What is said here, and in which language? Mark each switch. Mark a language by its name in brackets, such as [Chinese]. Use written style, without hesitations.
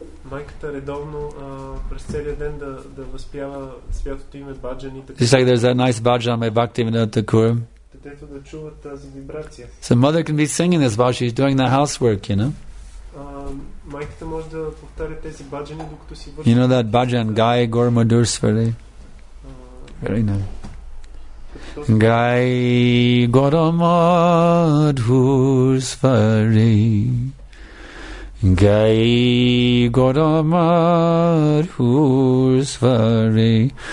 [Bulgarian] Майката редовно през целия ден да възпява святото име баджан и така. [English] It's like there's a nice bhajan by Bhaktivinoda Thakur. [Bulgarian] Детето да чува тази вибрация. [English] So mother can be singing this while she's doing the housework, you know. [Bulgarian] Майката може да повтаря тези баджани докато си върши. [English] You know that bhajan, Gai Gaur Madhur Swari. Very nice. Gai Gaur Madhur Swari. Gai Gaura Madhur Swari.